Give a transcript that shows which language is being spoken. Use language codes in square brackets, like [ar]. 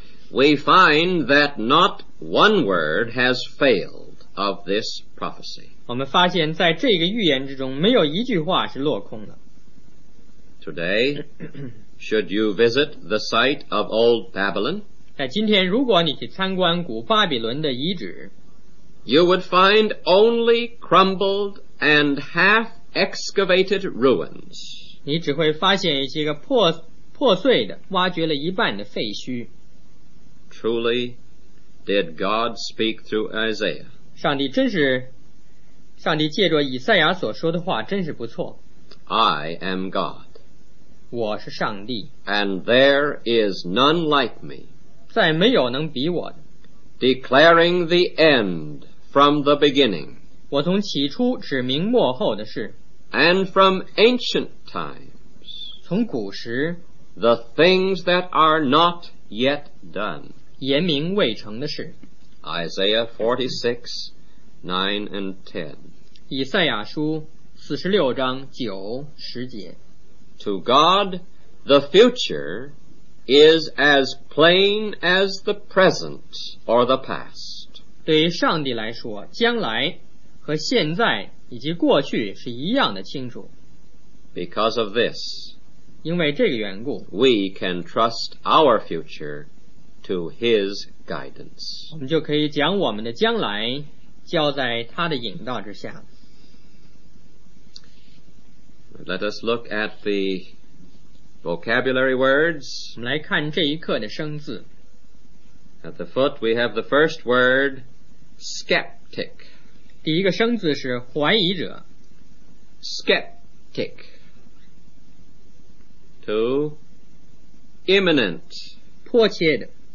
[en] We find that not one word has failed of this prophecy. [zh] 我们发现在这个预言之中没有一句话是落空的。 [en] Today, should you visit the site of Old Babylon? [zh] 在今天如果你去参观古巴比伦的遗址， [en] You would find only crumbled and half excavated ruins. [zh] 你只会发现一些个破碎的挖掘了一半的废墟。 [en] Truly did God speak through Isaiah. [zh] 上帝借着以赛亚所说的话真是不错。 [en] I am God. [zh] 我是上帝。 [en] And there is none like me. [zh] 再没有能比我的。 [en] Declaring the end from the beginning. [zh] 我从起初指明末后的事。 [en] And from ancient times, [zh] 从古时, [en] the things that are not yet done, [zh] 言明未成的事, [en] Isaiah 46, 9 and 10, [zh] 以赛亚书46章9、10节, [en] To God, the future is as plain as the present or the past. [zh] 对于上帝来说,将来和现在以及过去是一样的清楚。 [en] Because of this, [zh] 因为这个缘故， [en] we can trust our future to his guidance. [zh] 我们就可以将我们的将来交在他的引导之下。 [en] Let us look at the vocabulary words. [zh] 我们来看这一课的生字。 [en] At the foot we have the first word, skeptic. [zh] 第一个生字是怀疑者 [en] skeptic. Two, imminent, [zh] 迫切的